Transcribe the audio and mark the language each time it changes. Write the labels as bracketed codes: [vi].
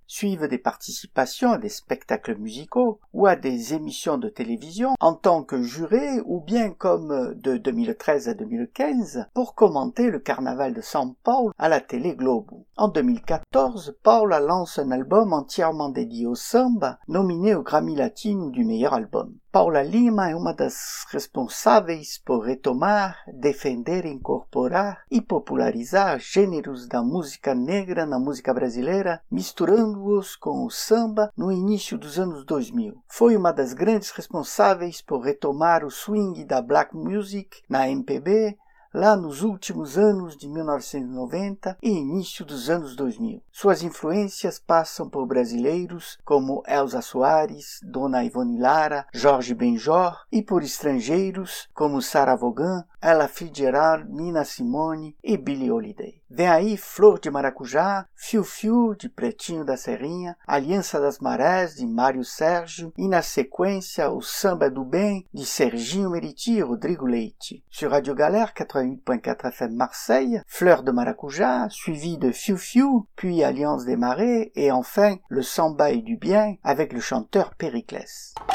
[fr] Suivent des participations à des spectacles musicaux ou à des émissions de télévision en tant que juré ou bien comme de 2013 à 2015 pour commenter le carnaval de São Paulo à la télé Globo. En 2014, Paula lance un album entièrement dédié au samba, nominé au Grammy Latino du meilleur album. [pt] Paula Lima é uma das responsáveis por retomar, defender, incorporar e popularizar gêneros da música negra na música brasileira, misturando-os com o samba no início dos anos 2000. Foi uma das grandes responsáveis por retomar o swing da black music na MPB, lá nos últimos anos de 1990 e início dos anos 2000. Suas influências passam por brasileiros como Elza Soares, Dona Ivone Lara, Jorge Benjor, e por estrangeiros como Sarah Vaughan, Ella Fitzgerald, Nina Simone e Billie Holiday. Vem aí Flor de Maracujá, Fiu Fiu de Pretinho da Serrinha, Aliança das Marés de Mário Sérgio e na sequência o Samba do Bem de Serginho Meriti e Rodrigo Leite. [fr] Sur Radio Galère 88.4 FM Marseille, Fleur de Maracujá, suivi de Fiu Fiu, puis Alliance des Marais et enfin le Samba et du Bien avec le chanteur Périclès.